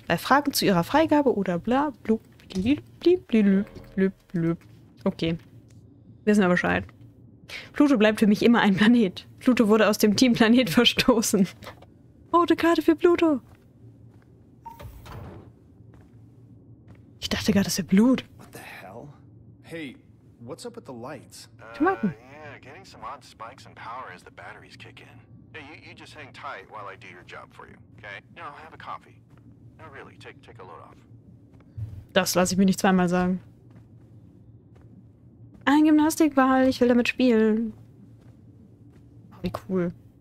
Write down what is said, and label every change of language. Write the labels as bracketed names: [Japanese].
[German] Bei Fragen zu ihrer Freigabe oder bla blub blub blub blub. Okay. Wissen wir Bescheid. Pluto bleibt für mich immer ein Planet. Pluto wurde aus dem Team Planet verstoßen. Rote Karte für Pluto. Ich dachte gerade, das wäre Blut. [English] What the hell? Hey. What's up with the lights? Yeah, getting some odd spikes in power as the batteries kick in. Hey, you just hang tight while I do your job for you, okay? No, have a coffee. No, really, take a load off. [German] Das lasse ich mir nicht zweimal sagen. Ein Gymnastikball, ich will damit spielen. Wie cool.